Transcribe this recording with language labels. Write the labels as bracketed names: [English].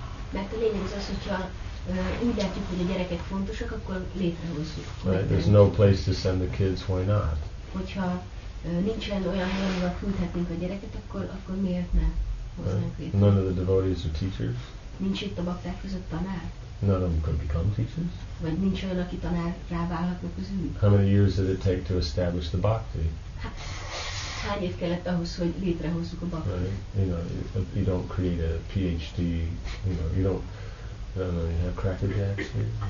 [Hungarian] Mert a lényeg az, hogyha úgy látjuk, hogy a gyerekek fontosak, akkor létrehozzuk. [English] Right. There's no place to send the kids, why not? [Hungarian] Hogyha nincsen olyan hely, ahol küldhetnénk a gyereket, akkor miért ne hoznánk létre? [English] None of the devotees are teachers. [Hungarian] Nincs itt a bakták között tanár. [English] None of them could become teachers. [Hungarian] Vagy nincs olyan, aki tanár ráválhatna közülük. [English] How many years did it take to establish the bhakti? [Hungarian] Hány év kellett ahhoz, hogy létrehozzuk a bhakti? [English] You don't create a PhD, you have crackerjacks here.